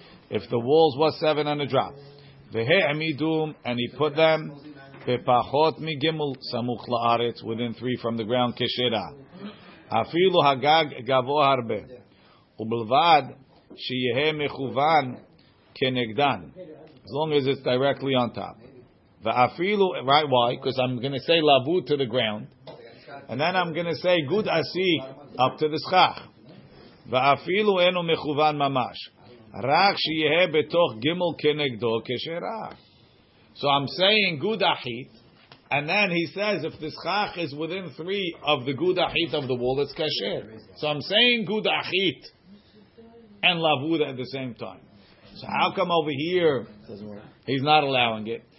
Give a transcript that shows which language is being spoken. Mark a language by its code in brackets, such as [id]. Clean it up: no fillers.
[en] If the walls were 7 and a drop, [he] והעמידום, [en] and he put them, [he] בפחות מגימול סמוך לארץ, [en] within 3 from the ground, [he] כשרה. אפילו הגג גבוה הרבה. ובלבד שיהיה מכוון כנגדן. [en] As long as it's directly on top. [he] ואפילו, [en] right, why? Because I'm going to say לבוד to the ground. And then I'm going to say good עסיק up to the schach. [he] ואפילו אינו מכוון ממש. רק שיהיה בתוך גימול כנגדו כשרה. [en] So I'm saying good achit, and then he says if the schach is within 3 of the good achit of the wall, it's kasher. So I'm saying good achit and lavuda at the same time. So how come over here he's not allowing it?